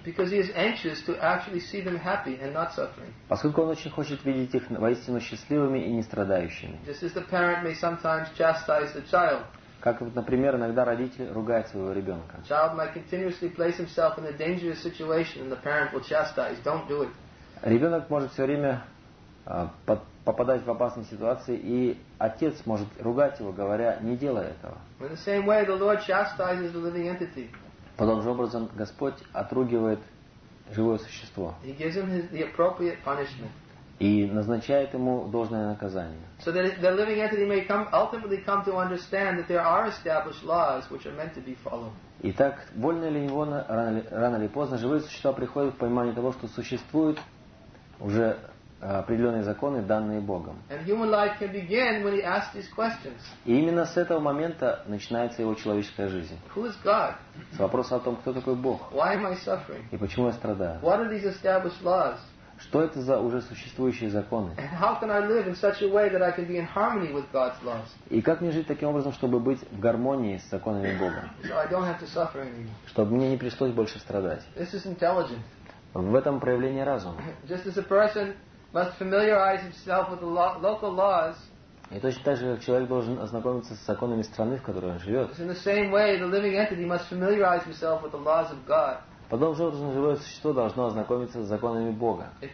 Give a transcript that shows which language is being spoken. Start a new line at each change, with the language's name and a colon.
English: Because he is anxious to actually see them happy and not suffering.
Russian: Поскольку он очень хочет видеть их воистину счастливыми и не страдающими.
English: Just as the parent may sometimes chastise the child.
Russian: Как, вот, например, иногда родитель ругает своего ребенка.
English: Child might continuously place himself in a dangerous situation, and the parent will chastise. Don't do it.
Russian: Ребенок может все время попадать в опасные ситуации, и отец может ругать его, говоря: не делай этого.
English: In the same way, the Lord chastises the living entity.
Russian: Подобным же образом Господь отругивает живое существо.
English: He gives him the appropriate punishment.
Russian: И назначает ему должное наказание.
English: So that the living entity may come, ultimately come to understand that there are established laws which are meant to be followed.
Russian: Итак, вольно или невольно, рано или поздно живые существа приходят к пониманию того, что существуют уже определенные законы, данные Богом.
English: And human life can begin when he asks these questions.
Russian: И именно с этого момента начинается его человеческая жизнь.
English: Who is God?
Russian: С вопроса о том, кто такой Бог.
English: Why am I suffering?
Russian: И почему я страдаю?
English: What are these established laws?
Russian: Что это за уже существующие законы?
English: And how can I live in such a way that I can be in harmony with God's laws?
Russian: И как мне жить таким образом, чтобы быть в гармонии с законами Бога?
English: So I don't have to suffer anymore.
Russian: Чтобы мне не пришлось больше страдать.
English: This is intelligent.
Russian: В этом проявление разума.
English: Just as a person must familiarize himself with the local laws.
Russian: И точно так же, как человек должен ознакомиться с законами страны, в которой он живет.
English: In the same way, the living entity must familiarize himself with the laws of God.
Russian: Подобным же образом живое существо должно ознакомиться с законами Бога.